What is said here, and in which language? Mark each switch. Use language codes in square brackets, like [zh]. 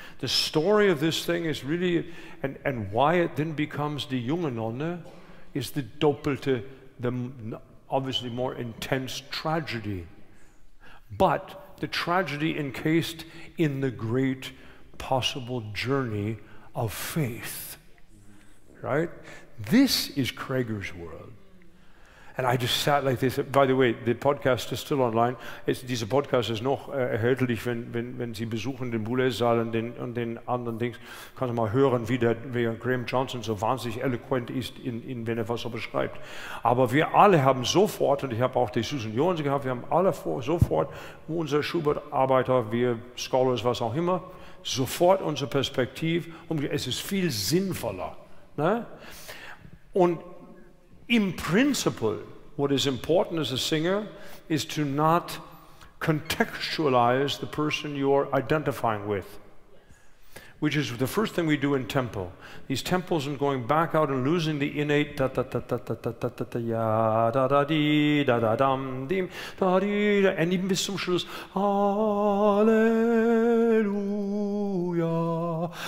[en] The story of this thing is really, and why it then becomes die junge Nonne, is the doppelte, the obviously more intense tragedy, but the tragedy encased in the great possible journey of faith, right? This is Krager's world. And I just sat like this. By the way, the podcast is still online. [de] Dieser Podcast ist noch erhältlich, wenn Sie besuchen den Boulez-Saal und den anderen Dings. Kannst du mal hören, wie Graham Johnson so wahnsinnig eloquent ist, wenn er was so beschreibt. Aber wir alle haben sofort, und ich habe auch die Susan Jones gehabt, wir haben alle sofort, unser Schubert-Arbeiter, wir Scholars, was auch immer, sofort unsere Perspektive. Es ist viel sinnvoller. Ne? [en] Und in principle, what is important as a singer is to not contextualize the person you're identifying with, which is the first thing we do in tempo. These tempos and going back out and losing the innate da da da da da da da da da ya da da di da da dam dim da di da, and even [de] bis zum Schluss [en] Alleluia.